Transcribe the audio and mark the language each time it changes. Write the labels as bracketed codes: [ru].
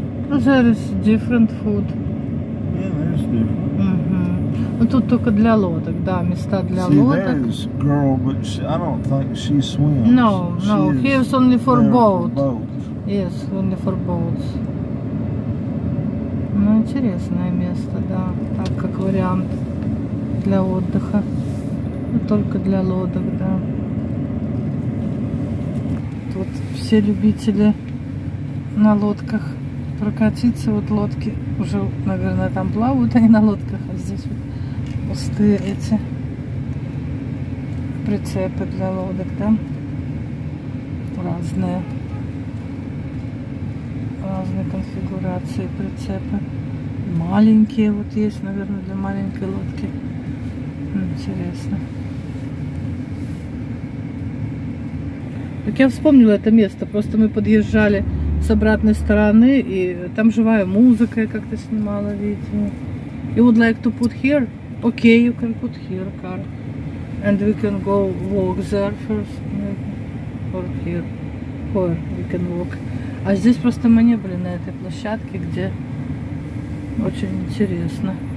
[en] Ну, there is different food. Yeah, there is different. Mm-hmm. [ru] Ну, тут только для лодок, да, места для [en] See, [ru] лодок. [en] See, there is girl, but she, I don't think she swims. No, she no, is here is only for boat. Boats. Yes, only for boats. [ru] Ну, интересное место, да, так как вариант для отдыха. Ну, только для лодок, да. Вот все любители на лодках прокатиться. Вот лодки уже, наверное, там плавают, они на лодках, а здесь вот пустые эти прицепы для лодок, да? Разные. Разные конфигурации прицепы. Маленькие вот есть, наверное, для маленькой лодки. Интересно. Так я вспомнила это место, просто мы подъезжали с обратной стороны, и там живая музыка, я как-то снимала видео. [en] You would like to put here? Okay, you can put here car. And we can go walk there first, maybe. Or here. Or we can walk. [ru] А здесь просто мы не были на этой площадке, где очень интересно.